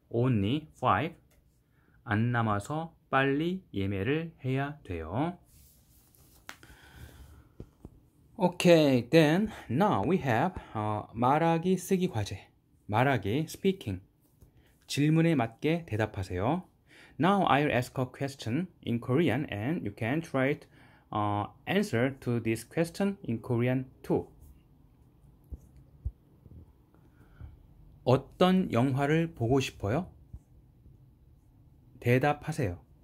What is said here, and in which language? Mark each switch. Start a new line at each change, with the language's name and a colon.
English: Only five
Korean: 안 남아서 빨리 예매를 해야 돼요.
English: Okay, then now we have
Korean: 말하기 쓰기 과제. 말하기 speaking. 질문에 맞게 대답하세요.
English: Now I'll ask a question in Korean and you can try to answer to this question in Korean too.
Korean: 어떤 영화를 보고 싶어요? 대답하세요.